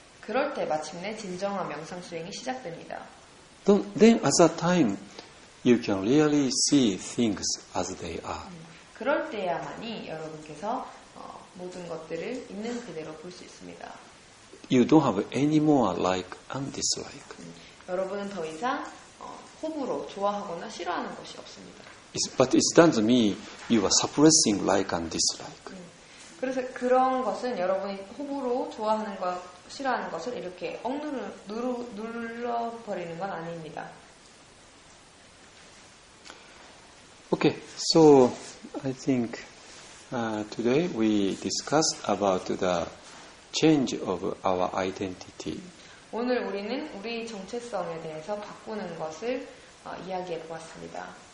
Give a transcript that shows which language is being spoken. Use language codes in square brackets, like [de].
[ko] 그럴 때 마침내 진정한 명상 수행이 시작됩니다. [en] Then at that time you can really see things as they are. [ko] 그럴 때야만이 여러분께서 모든 것들을 있는 그대로 볼 수 있습니다. [en] You don't have any more like and dislike. [ko] 여러분은 더 이상 호불호, 좋아하거나 싫어하는 것이 없습니다. [en] But it doesn't mean you are suppressing like and dislike. [ko] 그래서 그런 것은 여러분이 호불호, 좋아하는 것, 싫어하는 것을 이렇게 눌러버리는 건 아닙니다. [en] Okay, so I think today we discussed about the change of our identity. [ko] 오늘 우리는 우리 정체성에 대해서 바꾸는 것을 이야기해 보았습니다.